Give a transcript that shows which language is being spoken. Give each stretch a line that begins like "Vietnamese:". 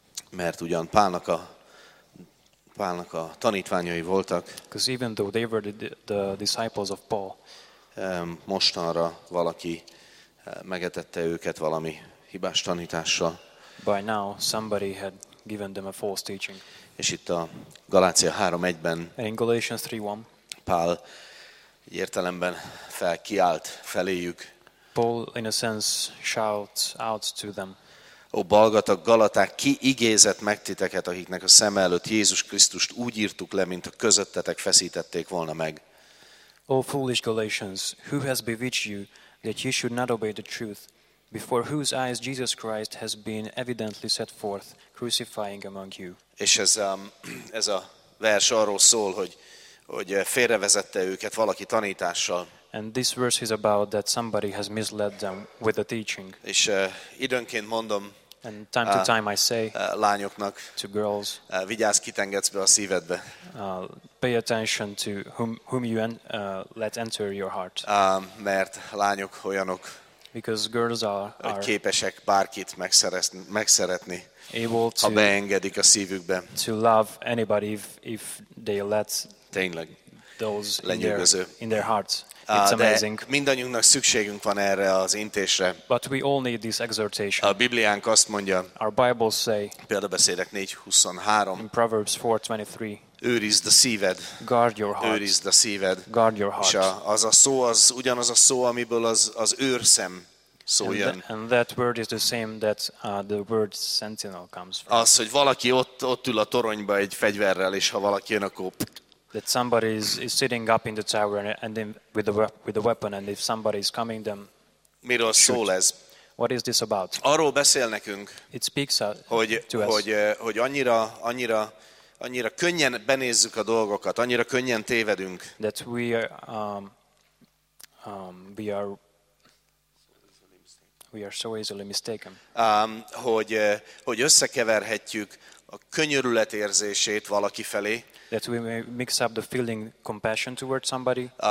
Hungarian: Mert ugyan Pálnak a tanítványai voltak.
English: Because even though they were the disciples of Paul.
Hungarian: Mostanra valaki megetette őket valami hibás tanítással.
English: By now somebody had given them a false teaching.
Hungarian: És itt a Galácia 3:1-ben.
English: In Galatians 3:1.
Hungarian: Pál értelemben kiált feléjük.
English: Paul in a sense shouts out to them.
Hungarian: Ó, balgatag galaták, ki igézett meg titeket, akiknek a szem előtt Jézus Krisztust úgy írtuk le, mint a közöttetek feszítették volna meg.
English: O foolish Galatians, who has bewitched you that you should not obey the truth, before whose eyes Jesus Christ has been evidently set forth, crucifying among you.
Hungarian: És ez a vers arról szól, hogy félrevezette őket valaki tanítással.
English: And this verse is about that somebody has misled them with a teaching.
Hungarian: És időnként mondom,
English: and time to time I say,
Hungarian: lányoknak,
English: to girls,
Hungarian: vigyázz, kit engedsz be a szívedbe.
English: Pay attention to whom you let enter your heart.
Hungarian: Mert lányok olyanok,
English: because girls are
Hungarian: képesek bárkit megszeretni,
English: able to,
Hungarian: ha beengedik a szívükbe.
English: To love anybody if they let,
Hungarian: tényleg,
English: those
Hungarian: lenyűgöző.
English: In their hearts. It's amazing.
Hungarian: De mindannyiunknak szükségünk van erre az intésre.
English: But we all need this exhortation.
Hungarian: A Bibliánk azt mondja.
English: Our Bibles say.
Hungarian: Példabeszédek 4:23.
English: In Proverbs 4:23.
Hungarian: Őrizd a szíved.
English: Guard your heart.
Hungarian: Őrizd a szíved.
English: Guard your heart.
Hungarian: És az a szó, az ugyanaz a szó, amiből az őrszem szó jön.
English: And that word is the same that the word sentinel comes from.
Hungarian: Az, hogy valaki ott ül a toronyba egy fegyverrel, és ha valaki jön, akkor
English: that somebody is sitting up in the tower and then with a weapon, and if somebody is coming, then
Hungarian: miről szól ez?
English: What is this about?
Hungarian: Arról beszél nekünk,
English: it speaks to us.
Hungarian: Hogy annyira könnyen benézzük a dolgokat, annyira könnyen tévedünk.
English: That we are so easily mistaken.
Hungarian: Hogy összekeverhetjük a könyörület érzését valaki felé.
English: That we may mix up the feeling compassion towards somebody.